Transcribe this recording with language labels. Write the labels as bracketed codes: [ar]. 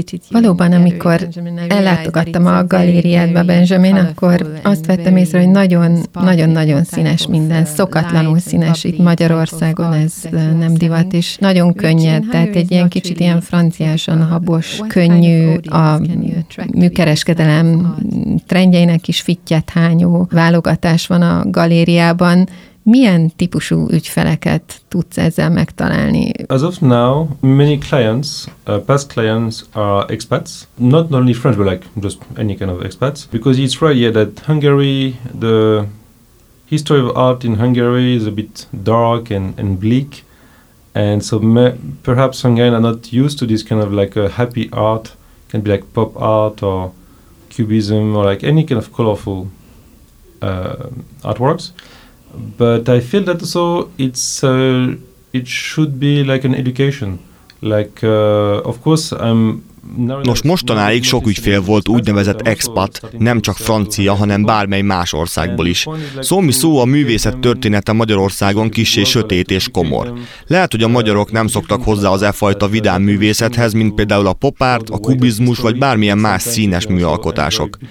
[hu] Valóban, amikor ellátogattam a galériádba, Benjamin, akkor azt vettem észre, hogy nagyon-nagyon színes minden, szokatlanul színes itt Magyarországon, ez nem divat, és nagyon könnyed, tehát egy ilyen kicsit ilyen franciásan habos, könnyű, a műkereskedelem trendjeinek is fitje hányó válogatás van a galériában. Milyen típusú ügyfeleket tudsz ezzel megtalálni? [en] As of now, many clients, past clients are expats, not only French, but like just any kind of expats, because it's right here that Hungary, the history of art in Hungary is a bit dark and bleak, and so perhaps Hungarians are not used to this kind of like a happy art, can be like pop art or cubism or like any kind of colorful artworks, but I feel that also it should be like an education, like of course I'm. [hu] Nos, mostanáig sok ügyfél volt úgynevezett expat, nem csak francia, hanem bármely más országból is. Szómi szó, a művészet története Magyarországon kissé sötét és komor. Lehet, hogy a magyarok nem szoktak hozzá az e fajta vidám művészethez, mint például a pop art, a kubizmus vagy bármilyen más színes műalkotások.